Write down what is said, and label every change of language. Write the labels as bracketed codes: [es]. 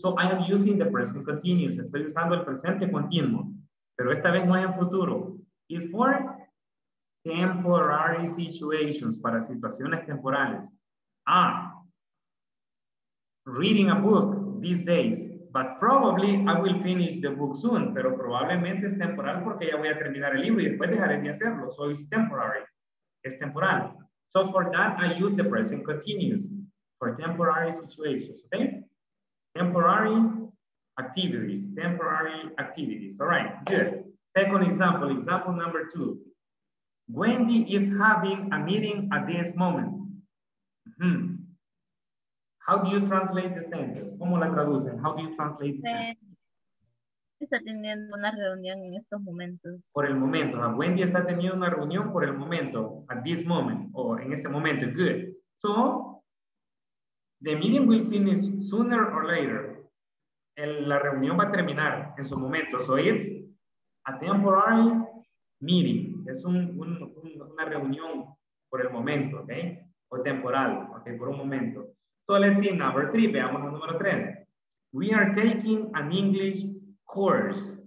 [en] So I am using the present continuous. [es] Estoy usando el presente continuo. Pero esta vez no es en futuro. [en] It's for temporary situations. [es] Para situaciones temporales. [en] Ah. Reading a book these days. But probably I will finish the book soon. [es] Pero probablemente es temporal porque ya voy a terminar el libro y después dejaré de hacerlo. [en] So it's temporary. [es] Es temporal. [en] So for that I use the present continuous. For temporary situations. Okay? Temporary activities, temporary activities. All right, good. Second example, example number two. Wendy is having a meeting at this moment. Mm-hmm. How do you translate the sentence? [es] ¿Cómo la traducen? [en] How do you translate the sentence? [es] Está teniendo una reunión en estos momentos. Por el momento. Wendy está teniendo una reunión por el momento, [en] at this moment, [es] o en este momento. Good. [en] So, the meeting will finish sooner or later. [es] La reunión va a terminar en su momento. [en] So it's a temporary meeting. [es] Es una reunión por el momento, okay? O temporal, okay, por un momento. [en] So let's see number three. [es] Veamos el número tres. [en] We are taking an English course.